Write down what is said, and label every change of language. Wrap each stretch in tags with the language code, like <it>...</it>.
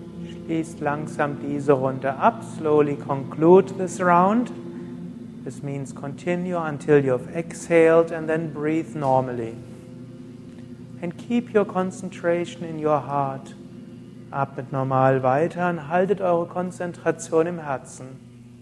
<de>Schließt langsam diese Runde ab.</de> <en>Slowly conclude this round. This means continue until you've exhaled and then breathe normally. And keep your concentration in your heart.</en> <de>Atmet normal weiter und haltet eure Konzentration im Herzen.</de>